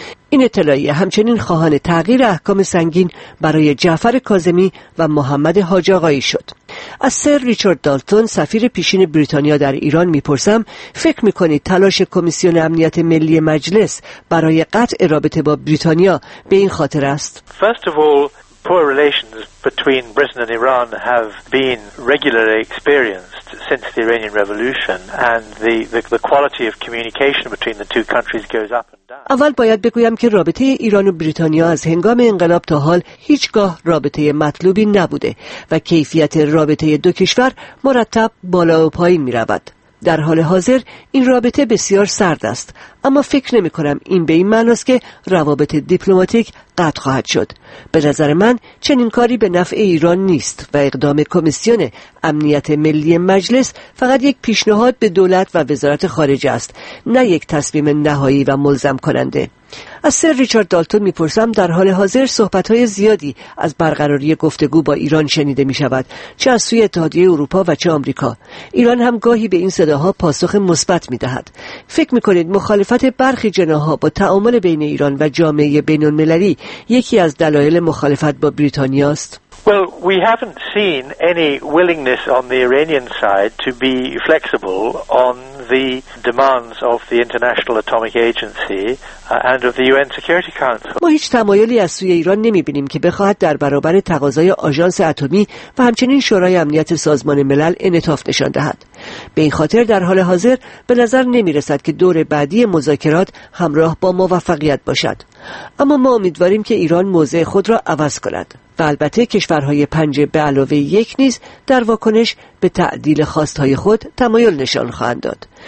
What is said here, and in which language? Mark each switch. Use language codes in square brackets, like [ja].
[fa] این اطلاعیه همچنین خواهان تغییر احکام سنگین برای جعفر کاظمی و محمد حاج آقایی شد. از سر ریچارد دالتون، سفیر پیشین بریتانیا در ایران میپرسم، فکر میکنید تلاش کمیسیون امنیت ملی مجلس برای قطع رابطه با بریتانیا به این خاطر است؟ [en] Poor relations between Britain and Iran have been regularly experienced since the Iranian Revolution, and the quality of communication between the two countries goes up and down. [fa] اول باید بگویم که رابطه ایران و بریتانیا از هنگام انقلاب تا حال هیچگاه رابطه مطلوبی نبوده و کیفیت رابطه دو کشور مرتب بالا و پایین می رود. در حال حاضر این رابطه بسیار سرد است، اما فکر نمی کنم این به این معنی است که روابط دیپلماتیک قطع خواهد شد. به نظر من چنین کاری به نفع ایران نیست و اقدام کمیسیون امنیت ملی مجلس فقط یک پیشنهاد به دولت و وزارت خارجه است، نه یک تصمیم نهایی و ملزم کننده. از سر ریچارد دالتون میپرسم، در حال حاضر صحبت‌های زیادی از برقراری گفتگو با ایران شنیده می‌شود، چه از سوی اتحادیه اروپا و چه آمریکا. ایران هم گاهی به این صداها پاسخ مثبت می‌دهد. فکر می‌کنید مخالفت برخی جناح‌ها با تعامل بین ایران و جامعه بین‌المللی یکی از دلایل مخالفت با بریتانیا است؟ [en] Well, we haven't seen any willingness on the Iranian side to be flexible on the demands of the International Atomic Agency and of the UN Security Council. [fa] ما هیچ تمایلی از سوی ایران نمی‌بینیم که بخواهد در برابر تقاضای آژانس اتمی و همچنین شورای امنیت سازمان ملل انعطاف نشان دهد. به این خاطر در حال حاضر به نظر نمی‌رسد که دور بعدی مذاکرات همراه با موفقیت باشد. اما ما امیدواریم که ایران موضع خود را عوض کند. و البته کشورهای پنج به علاوه یک نیز در واکنش به تعدیل خواستهای خود تمایل نشان خواهند داد.